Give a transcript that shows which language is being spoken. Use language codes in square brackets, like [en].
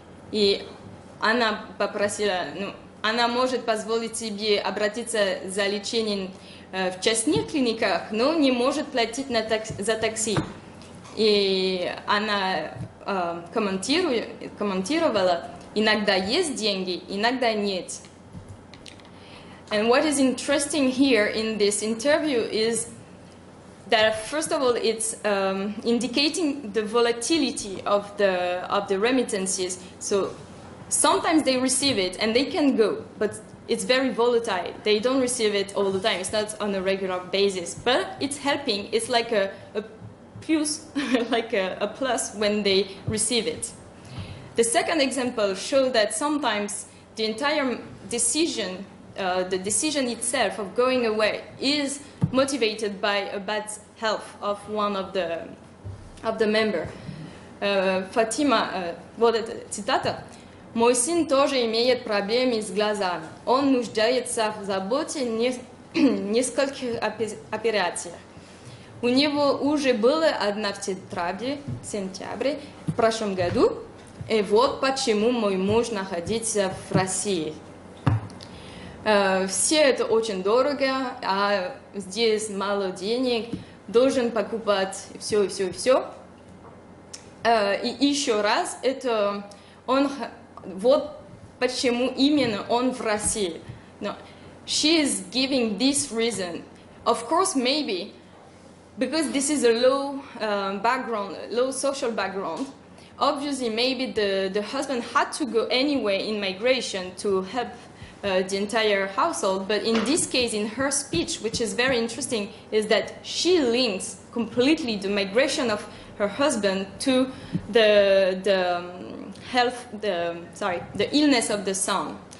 [ru] И она попросила, ну, она может позволить себе обратиться за лечением в частных клиниках, но не может платить на за такси. И она комментировала, иногда есть деньги, иногда нет. [en] And what is interesting here in this interview is that first of all, it's indicating the volatility of the remittances. So sometimes they receive it and they can go, but it's very volatile. They don't receive it all the time. It's not on a regular basis, but it's helping. It's like a plus when they receive it. The second example showed that sometimes the entire decision the decision itself of going away is motivated by a bad health of one of the member. [ru] Фатима, вот эта цитата. Мой сын тоже имеет проблемы с глазами. Он нуждается в заботе нескольких операций. У него уже была одна в тетрадке в сентябре в прошлом году. И вот почему мой муж находится в России. Все это очень дорого, а здесь мало денег, должен покупать все и все и все. И еще раз, это он, вот почему именно он в России. [en] No. She is giving this reason. Of course, maybe, because this is a low background, low social background, obviously, maybe the husband had to go anyway in migration to help the entire household. But in this case, in her speech, which is very interesting, is that she links completely the migration of her husband to the health, the illness of the son.